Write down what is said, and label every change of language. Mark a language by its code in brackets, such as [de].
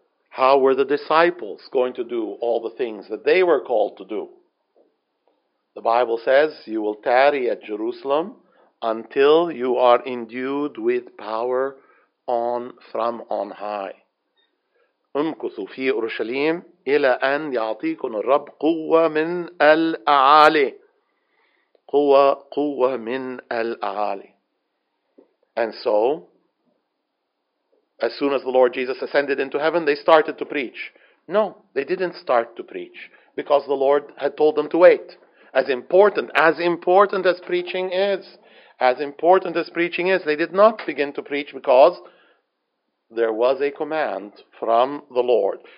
[en] How were the disciples going to do all the things that they were called to do? The Bible says, you will tarry at Jerusalem until you are endued with power on from on high. [ar] امكثوا في أورشليم إلى أن يعطيكم الرب قوة من الأعالي. قوة من الأعالي. [en] And so, as soon as the Lord Jesus ascended into heaven, they started to preach. No, they didn't start to preach because the Lord had told them to wait. As important as preaching is, they did not begin to preach because there was a command from the Lord.